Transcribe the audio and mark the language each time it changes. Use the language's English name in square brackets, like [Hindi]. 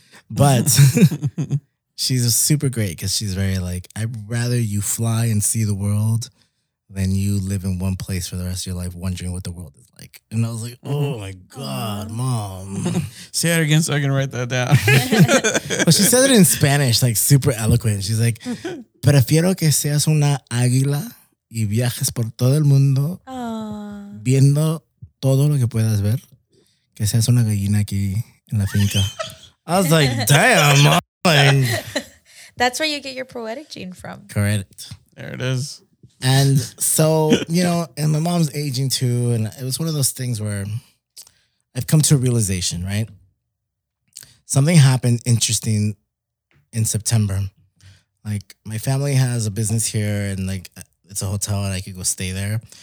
[English] But she's a super great because she's very like, I'd rather you fly and see the world than you live in one place for the rest of your life wondering what the world is. Like, and I was like, oh my God, mom. Say it again so I can write that down. But she said it in Spanish, like super eloquent. She's like, [Spanish] prefiero que seas una águila y viajes por todo el mundo viendo todo lo que puedas ver que seas una gallina aquí en la finca. [English] I was like, damn, mom. Like, that's where you get your poetic gene from. Correct. There it is. And so, you know, and my mom's aging too. And it was one of those things where I've come to a realization, right? Something happened interesting in September. Like my family has a business here and like it's a hotel and I could go stay there.